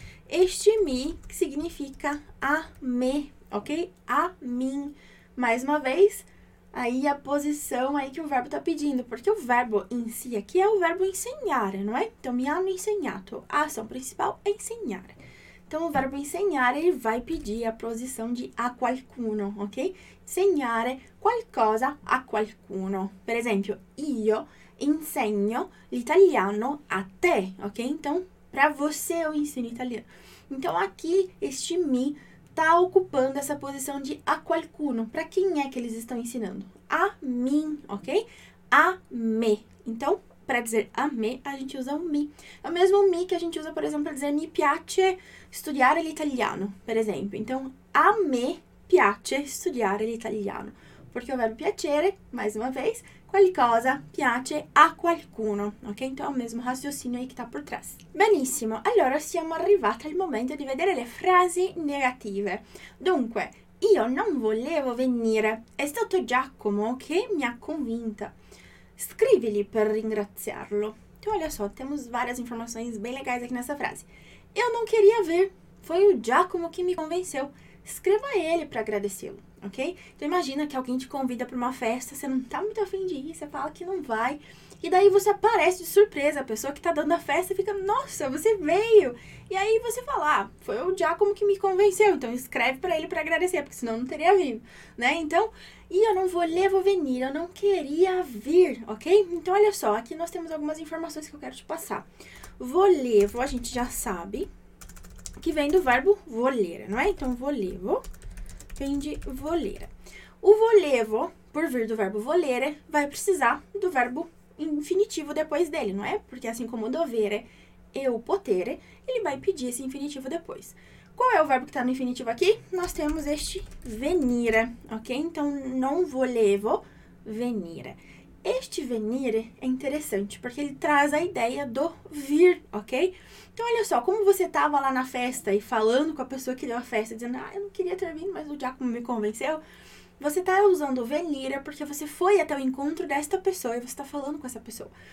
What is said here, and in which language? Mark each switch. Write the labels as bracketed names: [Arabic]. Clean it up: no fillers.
[Portuguese] Este mi que significa a me, ok? A mim. Mais uma vez, aí a posição aí que o verbo está pedindo, porque o verbo em si aqui é o verbo ensinar, não é? Então, [Italian] mi hanno insegnato. [Portuguese] A ação principal é ensinar. Então, o verbo insegnare, ele vai pedir a posição de [Italian] a qualcuno, [Portuguese] ok? [Italian] Insegnare qualcosa a qualcuno. Per esempio, io insegno l'italiano a te, [Portuguese] ok? Então, para você eu ensino italiano. Então, aqui, este mi está ocupando essa posição de a qualcuno. Para quem é que eles estão ensinando? A mim, ok? A me. Então, para dizer a me, a gente usa o mi. É o mesmo mi que a gente usa, por exemplo, para dizer [Italian] mi piace studiare l'italiano, per esempio. Então, a me piace studiare l'italiano. [Portuguese] Perché o verbo piacere, mais uma vez, [Italian] qualcosa piace a qualcuno, [Portuguese] ok? Então, è il mesmo raciocínio aí que está por trás. [Italian] Benissimo, allora siamo arrivati al momento di vedere le frasi negative. Dunque, io non volevo venire. È stato Giacomo che mi ha convinta. Scrivili per ringraziarlo. [Portuguese] Então, olha só, temos várias informações bem legais aqui nessa frase. Eu não queria ver, foi o Giacomo que me convenceu. Escreva ele para agradecê-lo, ok? Então imagina que alguém te convida para uma festa, você não tá muito a fim de ir, você fala que não vai, e daí você aparece de surpresa, a pessoa que tá dando a festa fica, nossa, você veio! E aí você fala, ah, foi o Giacomo que me convenceu, então escreve para ele para agradecer, porque senão não teria vindo, né? Então, [Italian] io non volevo venire, [Portuguese] eu não queria vir, ok? Então olha só, aqui nós temos algumas informações que eu quero te passar. Volevo, a gente já sabe que vem do verbo volere, não é? Então, volevo vem de volere. O volevo, por vir do verbo volere, vai precisar do verbo infinitivo depois dele, não é? Porque assim como dovere e o potere, ele vai pedir esse infinitivo depois. Qual é o verbo que está no infinitivo aqui? Nós temos este venire, ok? Então, [Italian] non volevo venire. [Portuguese] Este venire é interessante porque ele traz a ideia do vir, ok? Então, olha só, como você estava lá na festa e falando com a pessoa que deu a festa, dizendo, ah, eu não queria ter vindo, mas o Giacomo me convenceu, você está usando o venire porque você foi até o encontro desta pessoa e você está falando com essa pessoa.